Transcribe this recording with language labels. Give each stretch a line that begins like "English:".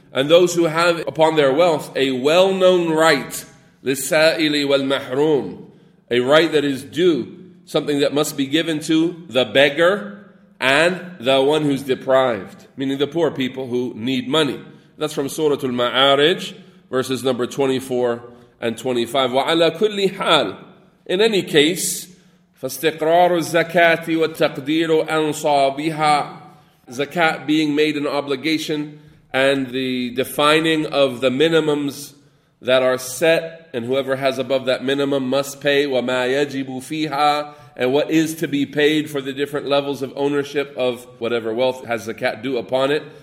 English: And those who have upon their wealth a well-known right,
Arabic: لِلسَّائِلِ وَالْمَحْرُومِ,
English: a right that is due, something that must be given to the beggar and the one who's deprived, meaning the poor people who need money. That's from Surah Al-Ma'arij, verses number 24 and 25.
Arabic: وَعَلَى كُلِّ حَالٍ.
English: In any case,
Arabic: فَاسْتِقْرَارُ الزَّكَاةِ وَالتَّقْدِيرُ أَنْصَابِهَا.
English: Zakat being made an obligation, and the defining of the minimums that are set, and whoever has above that minimum must pay.
Arabic: وَمَا يَجِبُ فِيهَا.
English: And what is to be paid for the different levels of ownership of whatever wealth has zakat due upon it.